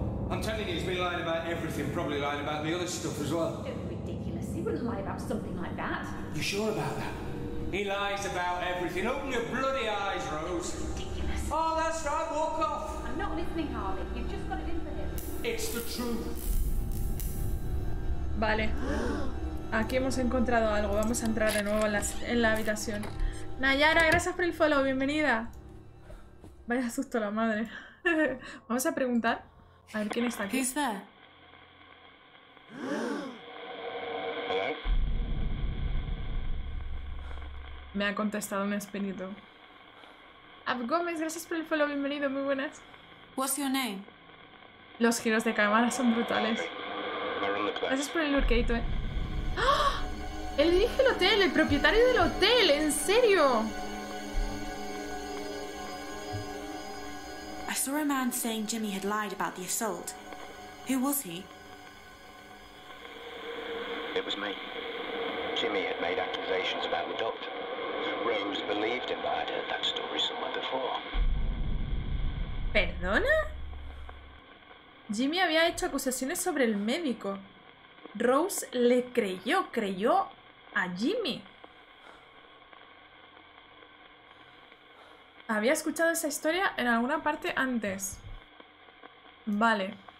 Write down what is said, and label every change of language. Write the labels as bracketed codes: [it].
[en] I'm telling you, he's been lying about everything, probably lying about the other stuff as well. Ridiculous, he wouldn't lie about something like that. You sure about that? He lies about everything. Open your bloody eyes, Rose. Ridiculous. Oh, that's right, walk off. I'm not listening, Harley. You've just got it in for him. It's the truth. [es] Vale. Aquí hemos encontrado algo. Vamos a entrar de nuevo en la habitación. Nayara, gracias por el follow. Bienvenida. Vaya susto la madre. Vamos a preguntar. A ver quién está aquí. ¿Quién está? Me ha contestado un espíritu. Ab Gómez, gracias por el follow. Bienvenido. Muy buenas. ¿Qué es tu nombre? Los giros de cámara son brutales. Gracias por el lurkeito, eh. ¡Oh! Él dirige el hotel, el propietario del hotel, en serio. [en] I saw a man saying Jimmy had lied about the assault. Who was he? It was me. Jimmy had made accusations about the doctor. Rose believed him, but I'd heard that story somewhere before. [es] ¿Perdona? Jimmy había hecho acusaciones sobre el médico. Rose le creyó, creyó a Jimmy. Había escuchado esa historia en alguna parte antes. Vale.